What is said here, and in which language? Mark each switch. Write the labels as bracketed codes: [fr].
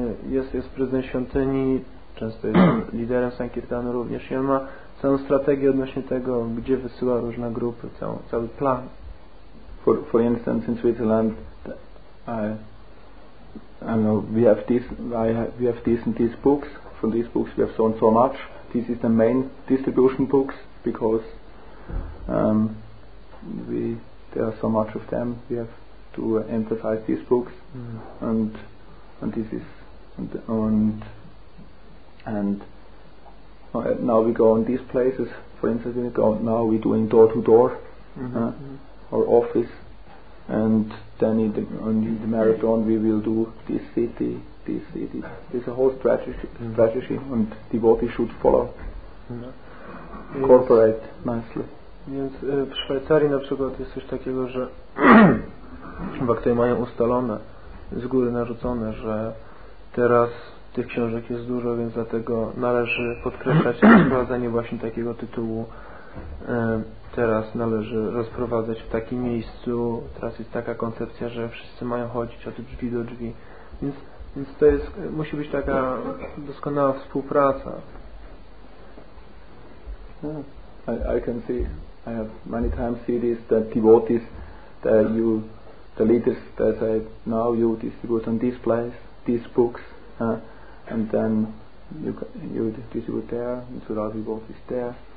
[pl] Jest prezydent świątyni, często jest liderem Sankirtanu również, i on ma całą strategię odnośnie tego, gdzie wysyła różne grupy, cały plan. [en] For instance, in Switzerland, we have these books. From these books, we have so and so much. This is the main distribution books because there are so much of them. We have to emphasize these books, and now we go in these places. For instance, we're doing door to door, or office. And then in the marathon we will do this city. There's a whole strategy, and devotees should follow. Yeah. Corporate nicely. [pl] Więc w Szwajcarii na przykład jest coś takiego, że bhaktowie mają ustalone, z góry narzucone, że teraz tych książek jest dużo, więc dlatego należy podkreślać wprowadzenie właśnie takiego tytułu. Teraz należy rozprowadzać w takim miejscu, teraz jest taka koncepcja, że wszyscy mają chodzić od drzwi do drzwi, więc to jest musi być taka doskonała współpraca. [en] I can see, I have many times seen this, that devotees that you, the leaders that say, now you distribute on this place these books, and then you distribute there, and so the devotees there.